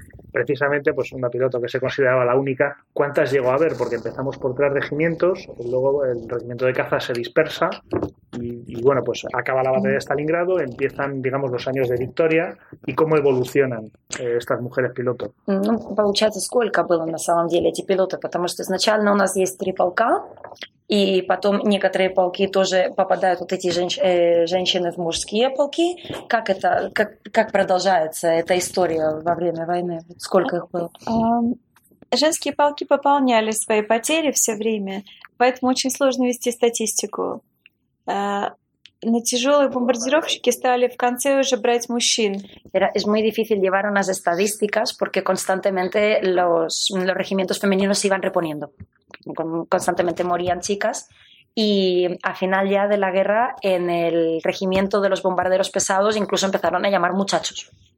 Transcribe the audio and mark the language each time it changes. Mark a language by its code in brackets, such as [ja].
[es] Precisamente, pues una piloto que se consideraba la única, ¿cuántas llegó a ver? Porque empezamos por 3 regimientos, luego el regimiento de caza se dispersa y bueno, pues acaba la batalla de Stalingrado, empiezan, digamos, los años de victoria. ¿Y cómo evolucionan estas mujeres piloto? [ru] No, получается, сколько было на самом деле эти пилоты, потому что изначально у нас есть 3 полка, и потом некоторые полки тоже попадают вот эти женщины в мужские полки. Как это, как продолжается эта история во время войны? Сколько их было? Женские полки пополняли свои потери все время, поэтому очень сложно вести статистику. Но тяжелые бомбардировщики стали в конце уже брать мужчин. [es] Es muy difícil llevar unas estadísticas porque constantemente los regimientos femeninos se iban reponiendo. Constantemente morían chicas y al final ya de la guerra en el regimiento de los bombarderos pesados incluso empezaron a llamar muchachos.